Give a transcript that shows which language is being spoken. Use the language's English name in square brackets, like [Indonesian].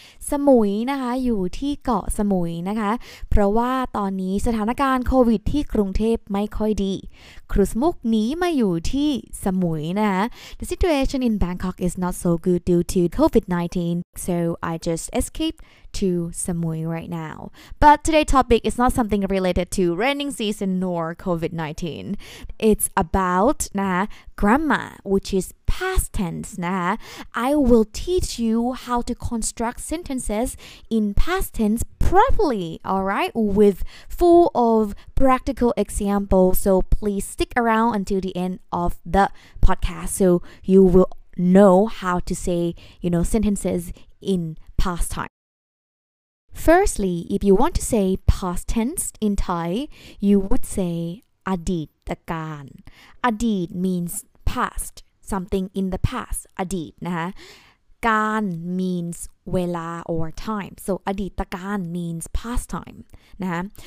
[Thai] สมุยนะคะอยู่ที่เกาะสมุยนะคะเพราะว่าตอนนี้สถานการณ์โควิดที่กรุงเทพไม่ค่อยดีครูสมุกหนีมาอยู่ที่สมุยนะคะ [English] The situation in Bangkok is not so good due to COVID-19 so I just escapedTo Samui right now, but today's topic is not something related to raining season nor COVID-19. It's about nah grammar, which is past tense. Nah, I will teach you how to construct sentences in past tense properly. All right, with full of practical examples. So please stick around until the end of the podcast, so you will know how to say you know sentences in past time. Firstly, if you want to say past tense in Thai, you would say อดีตการ อดีต means past, something in the past, อดีตนะคะ การ means เวลา or time, so อดีตการ means past time, นะคะ